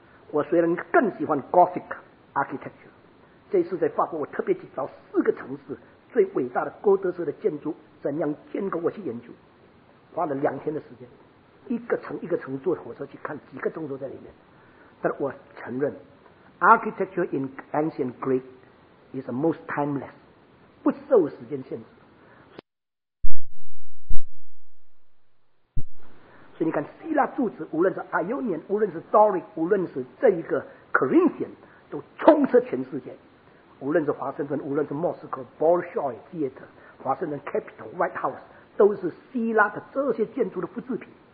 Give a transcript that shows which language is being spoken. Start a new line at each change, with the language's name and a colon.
Chinese: 我虽然更喜欢
English: Gothic architecture,
Chinese: 这次在法国我特别去找4个城市最伟大的哥德式的建筑怎样建构，我去研究，花了2天的时间，一个城坐火车去看，几个钟头在里面。但我承认
English: Architecture in ancient Greek is the most timeless,
Chinese: 不受时间限制。所以你看希腊柱子，无论是 Ionian, 无论是 Doric, 无论是这一个 Corinthian, 都充斥全世界。无论是华盛顿，无论是莫斯科 Bolshoi Theater, 华盛顿 Capitol, White House, 都是希腊的这些建筑的复制品。